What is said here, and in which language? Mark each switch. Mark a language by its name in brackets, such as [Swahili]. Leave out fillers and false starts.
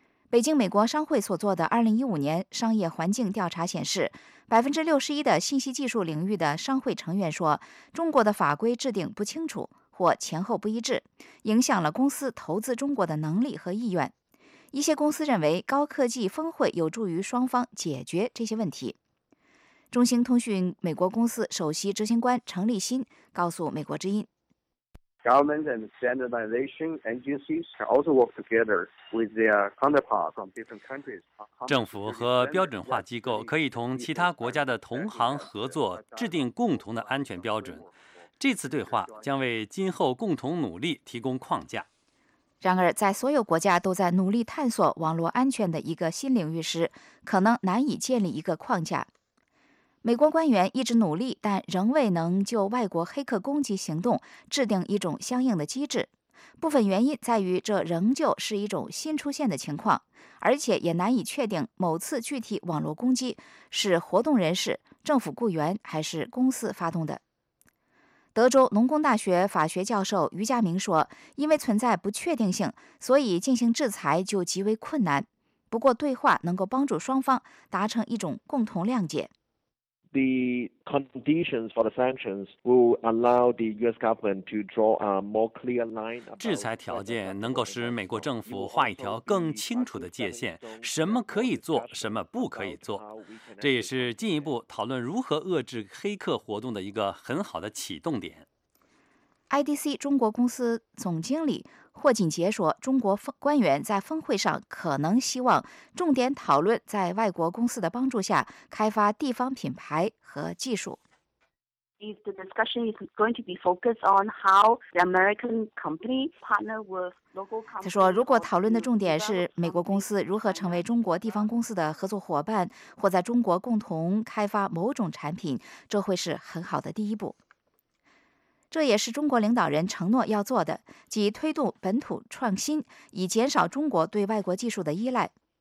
[Chinese] 北京美国商会所做的2015年商业环境调查显示，61%的信息技术领域的商会成员说，中国的法规制定不清楚或前后不一致，影响了公司投资中国的能力和意愿。一些公司认为高科技峰会有助于双方解决这些问题。中兴通讯美国公司首席执行官程立新告诉美国之音， [English] Government and standardization agencies can also work together with their counterparts from different countries. [Chinese] 政府和标准化机构可以同其他国家的同行合作，制定共同的安全标准。这次对话将为今后共同努力提供框架。然而，在所有国家都在努力探索网络安全的一个新领域时，可能难以建立一个框架。美国官员一直努力，但仍未能就外国黑客攻击行动制定一种相应的机制。部分原因在于这仍旧是一种新出现的情况，而且也难以确定某次具体网络攻击是活动人士、政府雇员还是公司发动的。德州农工大学法学教授于佳明说，因为存在不确定性，所以进行制裁就极为困难。不过对话能够帮助双方达成一种共同谅解。 [English] The conditions for the sanctions will allow the U.S. government to draw a more clear line. [Chinese] 制裁条件能够使美国政府画一条更清楚的界限，什么可以做，什么不可以做。这也是进一步讨论如何遏制黑客活动的一个很好的启动点。 IDC 中国公司总经理霍锦杰说，中国官员在峰会上可能希望重点讨论在外国公司的帮助下开发地方品牌和技术。 [English] The discussion is going to be focused on how the American company partner with local companies. [Chinese] 他说，如果讨论的重点是美国公司如何成为中国地方公司的合作伙伴，或在中国共同开发某种产品，这会是很好的第一步。这也是中国领导人承诺要做的，即推动本土创新，以减少中国对外国技术的依赖。